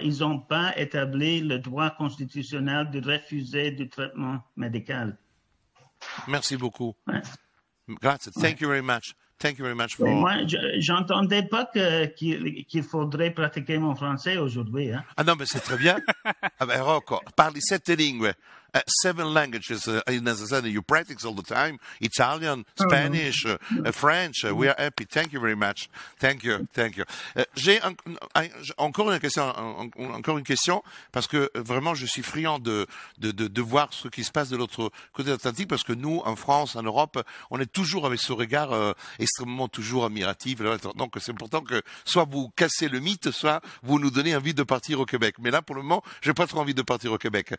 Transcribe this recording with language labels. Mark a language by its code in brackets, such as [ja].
[fr] Ils n'ont pas établi le droit constitutionnel de refuser du traitement médical. Merci beaucoup. Ouais. [it] Grazie. [en] Thank you very much. Thank you very much for. [fr] Moi, j'entendais pas qu'il faudrait pratiquer mon français aujourd'hui. Hein? Ah non, mais c'est très bien. Ah ben, Rocco, parle 7 langues. [en] Seven languages, as I said, you practice all the time, Italian, Spanish, French, we are happy, thank you very much, thank you. [fr] J'ai encore une question, parce que vraiment je suis friand de voir ce qui se passe de l'autre côté de l'Atlantique, parce que nous, en France, en Europe, on est toujours avec ce regard extrêmement toujours admiratif, donc c'est important que soit vous cassez le mythe, soit vous nous donnez envie de partir au Québec, mais là pour le moment, j'ai pas trop envie de partir au Québec.